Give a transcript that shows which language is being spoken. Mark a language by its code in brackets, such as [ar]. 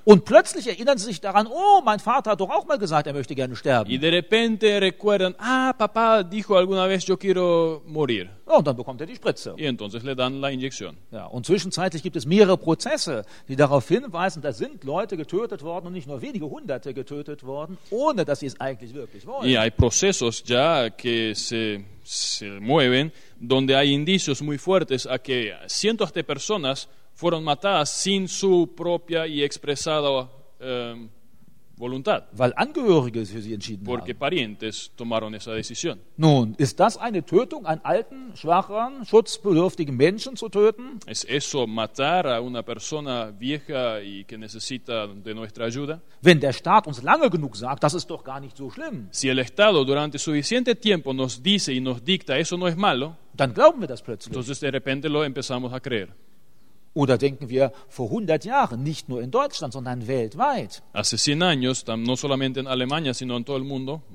[de] Und plötzlich erinnern sie sich daran, oh, mein Vater hat doch auch mal gesagt, er möchte gerne sterben. [es] Y de repente recuerdan, ah, papá dijo alguna vez, yo quiero morir. [de] Und dann bekommt er die Spritze. [es] Y entonces le dan la inyección. [de] Ja, und zwischenzeitlich gibt es mehrere Prozesse, die darauf hinweisen, da sind Leute getötet worden und nicht nur wenige Hunderte getötet worden, ohne dass sie es eigentlich wirklich wollen. [es] Y hay procesos ya que se mueven, donde hay indicios muy fuertes a que cientos de personas fueron matadas sin su propia y expresada voluntad. [de] Weil Angehörige für sie entschieden [es] Porque [de] haben. [es] Parientes tomaron esa decisión. [de] Nun, ist das eine Tötung, einen alten, schwachen, schutzbedürftigen Menschen zu töten? [es] ¿Es eso matar a una persona vieja y que necesita de nuestra ayuda? [de] Wenn der Staat uns lange genug sagt, das ist doch gar nicht so schlimm. [es] Si el Estado durante suficiente tiempo nos dice y nos dicta, eso no es malo. [de] Dann glauben wir das plötzlich. [es] Entonces de repente lo empezamos a creer. [de] Oder denken wir vor 100 Jahren, nicht nur in Deutschland, sondern weltweit. [es] Hace 100 años, no solamente en Alemania, sino en todo el mundo.